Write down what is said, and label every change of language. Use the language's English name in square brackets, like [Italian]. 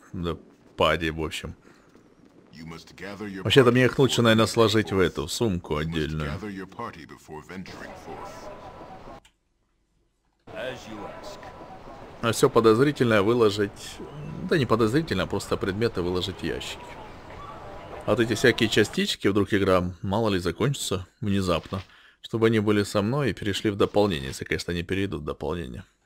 [English] The party, [Russian] в общем. Вообще-то мне их лучше, наверное, сложить в эту сумку отдельную. [English] Gather your party before venturing forth. As you ask. [Russian] А все подозрительное выложить. Да не подозрительно, а просто предметы выложить в ящики. А вот эти всякие частички, вдруг игра мало ли закончится внезапно. Чтобы они были со мной и перешли в дополнение, если, конечно, они перейдут в дополнение.